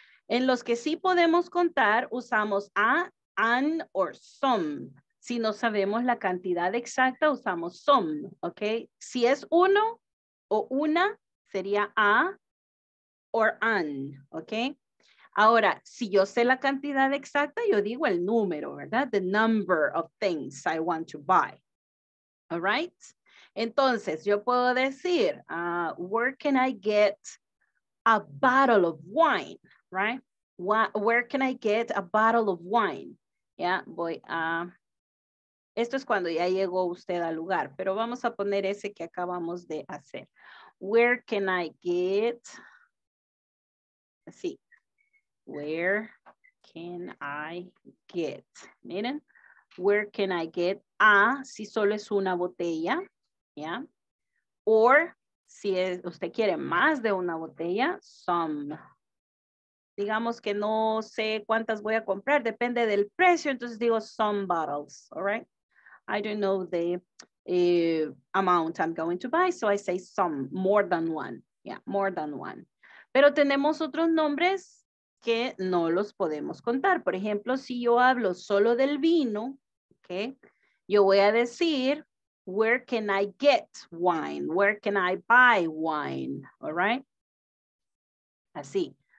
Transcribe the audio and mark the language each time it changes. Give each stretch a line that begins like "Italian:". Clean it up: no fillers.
Spanish: En los que sí podemos contar, usamos a, an, or some. Si no sabemos la cantidad exacta, usamos some, okay? Si es uno o una, sería a or an, okay? Ahora, si yo sé la cantidad exacta, yo digo el número, ¿verdad?
English: The number of things I want to buy. All right?
Spanish: Entonces, yo puedo decir,
English: where can I get a bottle of wine, right? Where can I get a bottle of wine?
Spanish: Yeah, voy a... Esto es cuando ya llegó usted al lugar, pero vamos a poner ese que acabamos de hacer.
English: Where can I get...
Spanish: Así.
English: Where can I get? Miren, where can I get a,
Spanish: si solo es una botella,
English: yeah?
Spanish: Or, si es, usted quiere más de una botella, some. Digamos que no sé cuántas voy a comprar, depende del precio, entonces digo
English: some bottles, all right? I don't know the amount I'm going to buy, so I say some, more than one, yeah, more than one.
Spanish: Pero tenemos otros nombres que no los podemos contar. Por ejemplo, si yo hablo solo del vino, okay, yo voy a decir,
English: where can I get wine? Where can I buy wine? All right?
Spanish: Así.